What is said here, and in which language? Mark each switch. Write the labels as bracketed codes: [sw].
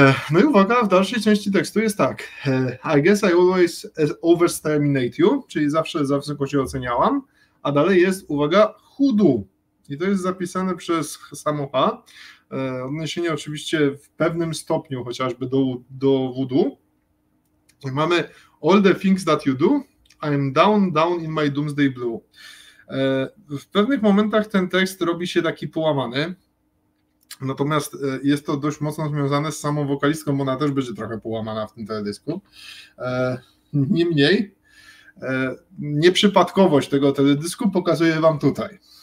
[pl] No i uwaga, w dalszej części tekstu jest tak. [en] I guess I always overstimulate you, [pl] czyli zawsze za wysoko cię oceniałam. A dalej jest, uwaga, hoodoo. I to jest zapisane przez samo A. Odniesienie oczywiście w pewnym stopniu chociażby do wudu. Mamy [en] all the things that you do, I'm down, down in my doomsday blue. [pl] W pewnych momentach ten tekst robi się taki połamany, natomiast jest to dość mocno związane z samą wokalistką, bo ona też będzie trochę połamana w tym teledysku. Niemniej, nieprzypadkowość tego teledysku pokazuję wam tutaj.